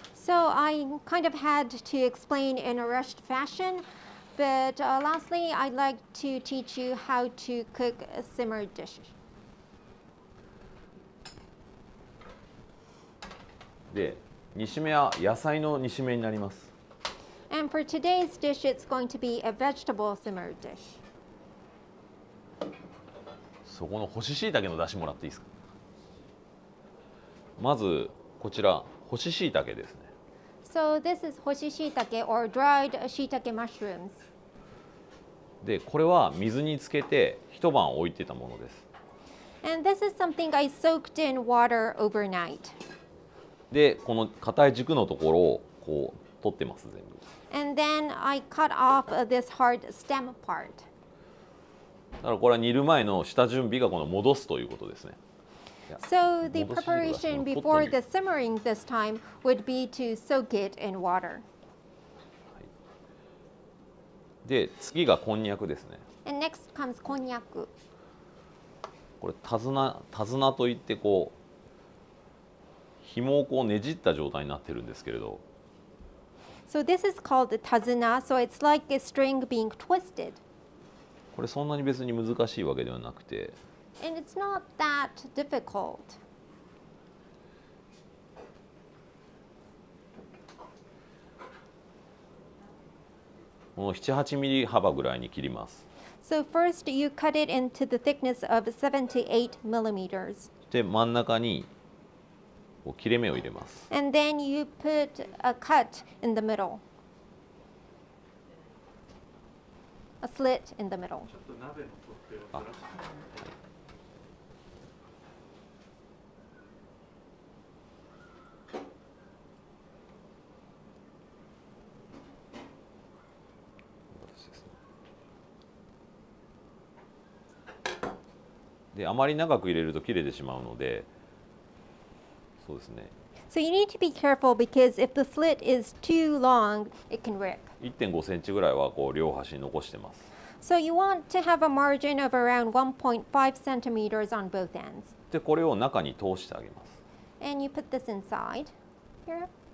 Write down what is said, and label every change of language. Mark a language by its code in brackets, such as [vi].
[en] So I kind of had to explain in a rushed fashion. But、lastly, I'd like to teach you how to cook a simmered dish. [ja] で、煮しめは野菜の煮しめになります。 [en] And for today's dish, it's going to be a vegetable simmered dish. [ja] そこの干し椎茸の出汁もらっていいですか。まずこちら干し椎茸ですね。 [en] So this is 干し椎茸 or dried 椎茸 mushrooms. [ja] でこれは水につけて一晩置いてたものです。 [en] And this is something I soaked in water overnight. [ja] でこの硬い軸のところをこう取ってます全部。 [en] And then I cut off this hard stem part. [ja] だからこれは煮る前の下準備がこの戻すということですね。 [en] So the preparation before the simmering this time would be to soak it in water. [ja] で次がこんにゃくですね。 [en] And next comes こんにゃく。 [ja] これ手綱といってこう紐をこうねじった状態になってるんですけれど。 [en] So this is called the 手綱.So it's like a string being twisted. [ja] これそんなに別に難しいわけではなくて。 [en] And it's not that difficult. [ja] この7、8ミリ幅ぐらいに切ります。 [en] So first you cut it into the thickness of 7 to 8 millimeters. [ja] で真ん中にこう切れ目を入れます。 [en] And then you put a cut in the middle. A slit in the middle. [ja] ちょっと鍋の取っ手をずらであまり長く入れると切れてしまうので、そうですね。 [en] So you need to be careful because if the slit is too long, it can rip. [ja] 1.5 センチぐらいはこう両端に残してます。 [en] So you want to have a margin of around 1.5 centimeters on both ends. [ja] でこれを中に通してあげます。 [en] And you put this inside here.